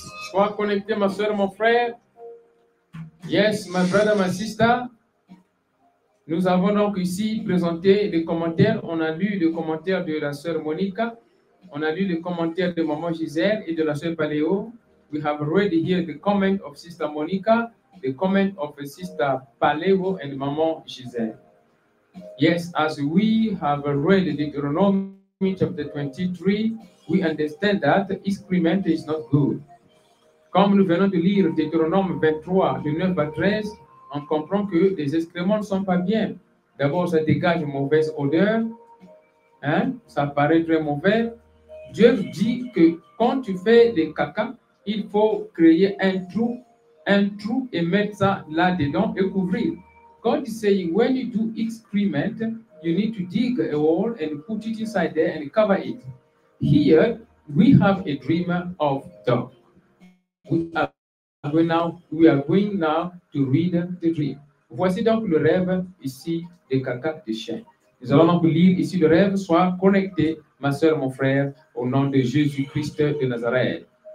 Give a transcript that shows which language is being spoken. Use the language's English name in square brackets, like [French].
[French] Sois connecté, ma soeur, mon frère. [English] Yes, my brother, my sister. [French] Nous avons donc ici présenté les commentaires. On a lu les commentaires de la sœur Monica. On a lu les commentaires de maman Gisèle et de la sœur Paléo. [English] We have already heard the comment of sister Monica, the comment of sister Paléo and maman Gisèle. Yes, as we have read Deuteronomy chapter 23, we understand that excrement is not good. [French] Comme nous venons de lire Deutéronome 23, du 9 à 13, on comprend que les excréments ne sont pas bien. D'abord, ça dégage une mauvaise odeur, hein? Ça paraît très mauvais. Dieu dit que quand tu fais des caca, il faut créer un trou et mettre ça là-dedans et couvrir. [English] God is saying, when you do excrement, you need to dig a hole and put it inside there and cover it. Here, we have a dream of dog. We are going now to read the dream. [French] Voici donc le rêve ici des caca de chien. Nous allons donc lire ici le rêve. Sois connecté, ma soeur, mon frère, au nom de Jésus-Christ de Nazareth.